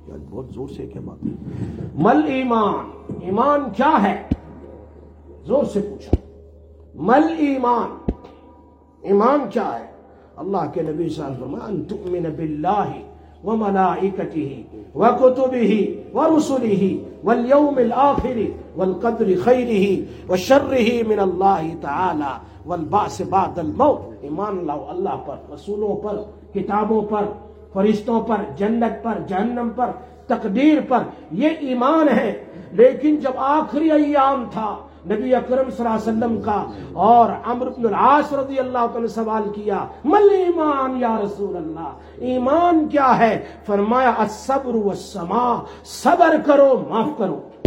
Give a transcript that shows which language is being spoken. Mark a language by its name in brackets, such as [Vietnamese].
[Urdu] بہت زور سے کہ بات، [Arabic] مل ایمان، [Urdu] ایمان کیا ہے؟ زور سے پوچھا، مل ایمان، ایمان کیا ہے؟ اللہ کے نبی صلی اللہ علیہ وسلم، [Arabic] ان تؤمن باللہ وملائکته وکتبه ورسله والیوم الآخر والقدر خیره وشرہ من اللہ تعالی والبعث بعد الموت. [Urdu] ایمان لاؤ اللہ پر، رسولوں پر، کتابوں پر، فرشتوں پر، جنت پر، جہنم پر، تقدیر پر، یہ ایمان ہے. لیکن جب آخری ایام تھا نبی اکرم صلی اللہ علیہ وسلم کا، اور عمرو بن العاص رضی اللہ عنہ نے سوال کیا، [Arabic] مل ایمان یا رسول اللہ، [Urdu] ایمان کیا ہے؟ فرمایا، [Arabic] الصبر والسماع، [Urdu] صبر کرو، معاف کرو.